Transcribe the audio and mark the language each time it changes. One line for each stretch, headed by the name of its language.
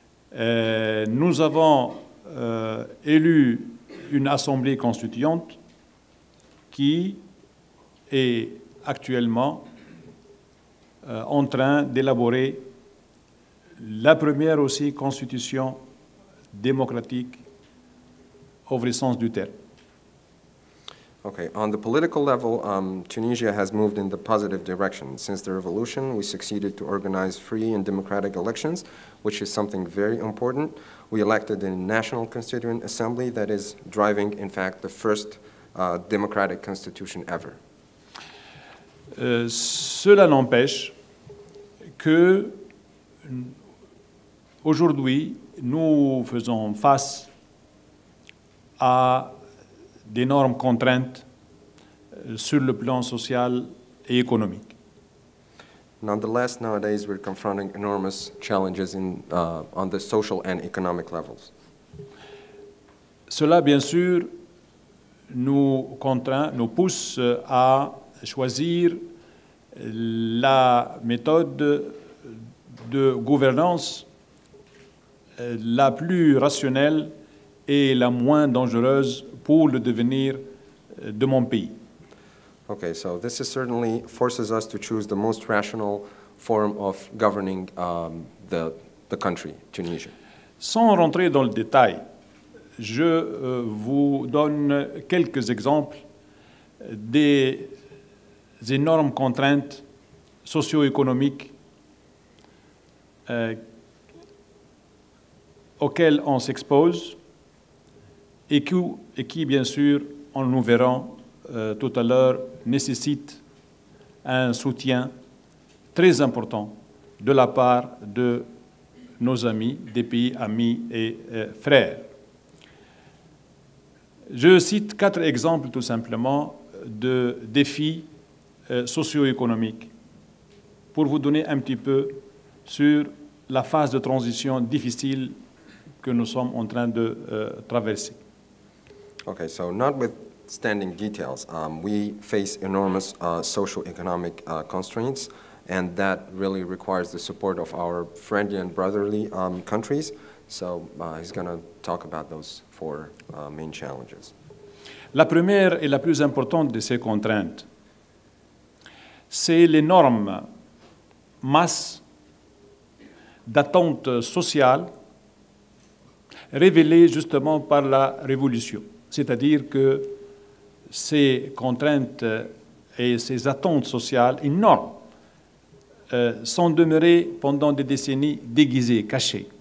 French: Nous avons élu une assemblée constituante qui est actuellement en train d'élaborer la première aussi constitution démocratique au vrai sens du terme.
English: Okay, on the political level, Tunisia has moved in the positive direction. Since the revolution, we succeeded to organize free and democratic elections, which is something very important. We elected a National Constituent Assembly that is driving, in fact, the first democratic constitution ever.
French: Cela n'empêche que aujourd'hui, nous faisons face à d'énormes contraintes sur le plan social et économique.
English: Nonetheless, nowadays we're confronting enormous challenges in on the social and economic levels.
French: Cela, bien sûr, nous contraint, nous pousse à choisir la méthode de gouvernance la plus rationnelle et la moins dangereuse pour le devenir de mon pays.
English: Okay, so this is certainly forces us to choose the most rational form of governing the country, Tunisia.
French: Sans rentrer dans le détail, je vous donne quelques exemples des énormes contraintes socio-économiques auxquelles on s'expose. Et qui, bien sûr, en nous verrons tout à l'heure, nécessite un soutien très important de la part de nos amis, des pays amis et frères. Je cite quatre exemples, tout simplement, de défis socio-économiques pour vous donner un petit peu sur la phase de transition difficile que nous sommes en train de traverser.
English: Okay, so notwithstanding details, we face enormous social-economic constraints, and that really requires the support of our friendly and brotherly countries. So he's going to talk about those four main challenges.
French: La première et la plus importante de ces contraintes, c'est l'énorme masse d'attentes sociales révélées justement par la révolution. C'est-à-dire que ces contraintes et ces attentes sociales énormes sont demeurées pendant des décennies déguisées, cachées.